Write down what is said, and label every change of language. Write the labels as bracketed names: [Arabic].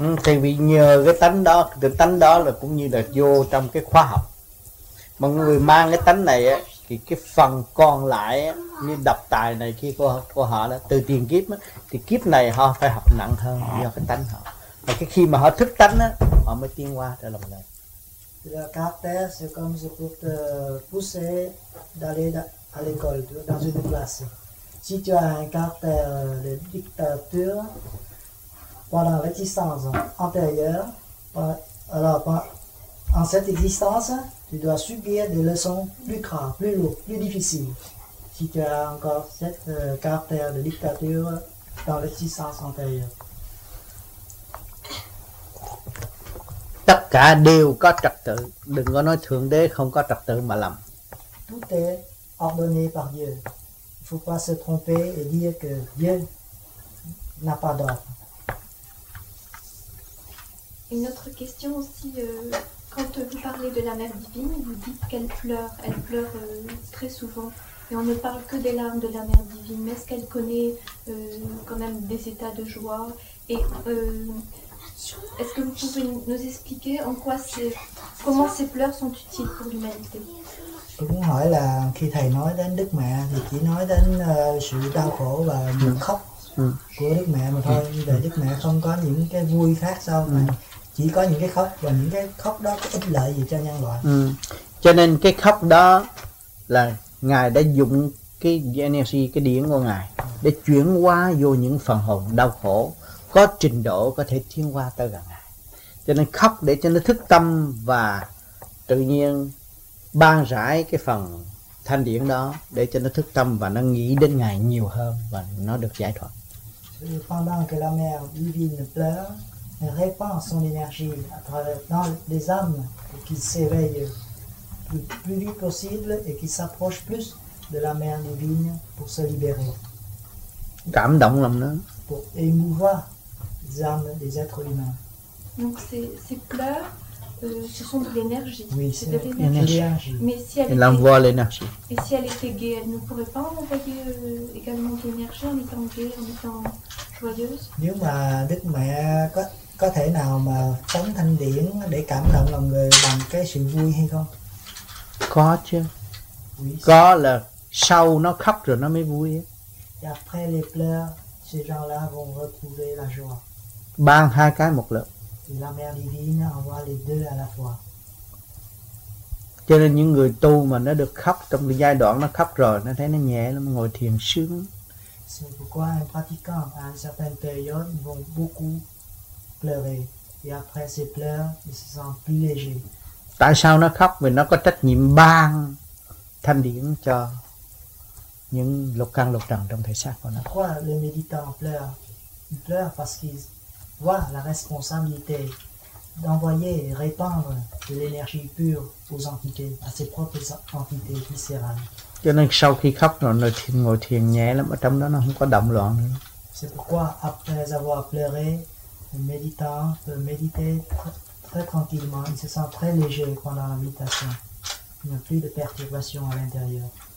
[Vietnamese] Thì vì nhờ cái tánh đó, từ tánh đó là cũng như là vô trong cái khoa học. Mà người mang cái tánh này á, thì cái phần còn lại á, như độc tài này kia của họ đó, từ tiền kiếp á, thì kiếp này họ phải học nặng hơn do cái tánh họ. Và cái khi mà họ thức tánh á, họ mới tiến qua trở lại một lần. [French] Le caractère, c'est comme si pour te pousser d'aller à l'école, dans une classe. Si tu as un caractère de dictature, pendant l'existence antérieure, en cette existence, tu dois subir des leçons plus graves, plus lourdes, plus difficiles. Si tu as encore ce caractère de dictature dans l'existence antérieure. [Vietnamese] Tất cả đều có trật tự, đừng có nói Thượng Đế không có trật tự mà lầm. [French] Tout est ordonné par Dieu. Il faut pas se tromper et dire que Dieu n'a pas d'ordre. Une autre question aussi, quand vous parlez de la Mère Divine, vous dites qu'elle pleure, très souvent, et on ne parle que des larmes de la Mère Divine, mais est-ce qu'elle connaît quand même des états de joie? Et est-ce que vous pouvez nous expliquer en quoi comment ces pleurs sont utiles pour l'humanité? [Vietnamese] Cũng hỏi là khi thầy nói đến Đức Mẹ thì chỉ nói đến sự đau khổ và những khóc của Đức Mẹ mà thôi, và Đức Mẹ không có những cái vui khác sao mà chỉ có những cái khóc, và những cái khóc đó có ích lợi gì cho nhân loại? Cho nên cái khóc đó là Ngài đã dùng cái energy, cái điển của Ngài để chuyển qua vô những phần hồn đau khổ có trình độ có thể tiến qua tới gần Ngài. Cho nên khóc để cho nó thức tâm và tự nhiên ban rải cái phần thanh điển đó để cho nó thức tâm và nó nghĩ đến Ngài nhiều hơn và nó được giải thoát. [French] Pendant que la mère divine pleure, elle répand son énergie à travers les âmes qui s'éveillent le plus vite possible et qui s'approchent plus de la mère divine pour se libérer. [Vietnamese] Cảm động lắm đó. [French] Pour émouvoir les âmes des êtres humains. Donc ces pleurs, ce sont de l'énergie. Oui, c'est de l'énergie. Mais si elle envoie l'énergie. Et si elle était gaie, elle ne pourrait pas envoyer également de l'énergie en étant gaie, en étant joyeuse. [Vietnamese] Nếu mà Đức Mẹ có thể nào mà phóng thanh điển để cảm động lòng người bằng cái sự vui hay không? Có chứ. [French] Oui, [Vietnamese] có là sau nó khóc rồi nó mới vui. [French] Et après les pleurs, ces gens-là vont retrouver la joie. [Vietnamese] Ban hai cái một lượt. [French] La mère divine envoie les deux à la fois. [Vietnamese] Cho nên những người tu mà nó được khóc trong cái giai đoạn nó khóc rồi, nó thấy nó nhẹ lắm, ngồi thiền sướng. [French] C'est pourquoi un pratiquant à une certaine période ils vont beaucoup pleurer et après ces pleurs ils se sentent plus légers. [Vietnamese] Tại sao nó khóc? Vì nó có trách nhiệm ban thanh điển cho những lục căn lục trần trong thể xác của nó. [French] Pourquoi le méditant pleure? Il pleure parce qu'il voir la responsabilité d'envoyer et répandre de l'énergie pure aux entités, à ses propres entités viscérales. [Vietnamese] Cho nên sau khi khóc rồi nó thiền, ngồi thiền nhẹ lắm, ở trong đó nó không có động loạn nữa. [French] C'est pourquoi après avoir pleuré, le méditant peut méditer très tranquillement, il se sent très léger pendant la méditation. Il n'y a plus de perturbation à l'intérieur.